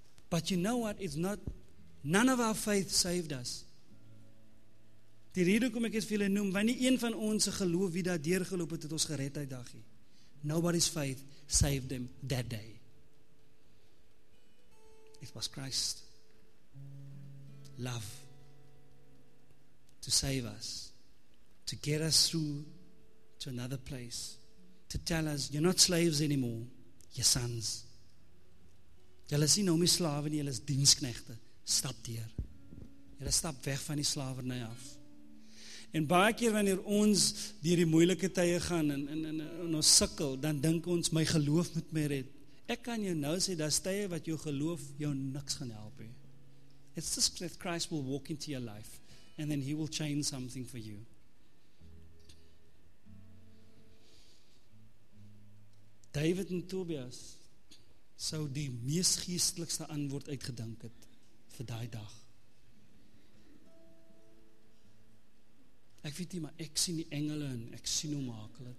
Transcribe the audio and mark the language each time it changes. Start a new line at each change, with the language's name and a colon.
English: But you know what, it's not, none of our faith saved us.
Afrikaans: Die rede kom ek het vir julle noem, want nie een van ons geloof wie daar deurgeloop het, het ons gered uit daagie.
English: Nobody's faith saved them that day. It was Christ. Love. To save us. To get us through to another place. To tell us, you're not slaves anymore. You're sons.
Afrikaans: Julle is nie nou meer slawe nie, julle is diensknegte. Stap deur. Julle stap weg van die slavernij af. En baie keer wanneer ons dier die moeilike tye gaan en ons sukkel, dan dink ons, my geloof moet my red. Ek kan jou nou sê, dat is tye wat jou geloof jou niks gaan help.
English: It's just that Christ will walk into your life and then he will change something for you.
Afrikaans: David en Tobias sou die mees geestelikste antwoord uitgedink het vir die dag. Ek weet nie, maar ek sien die engele en ek sien hoe maak hulle.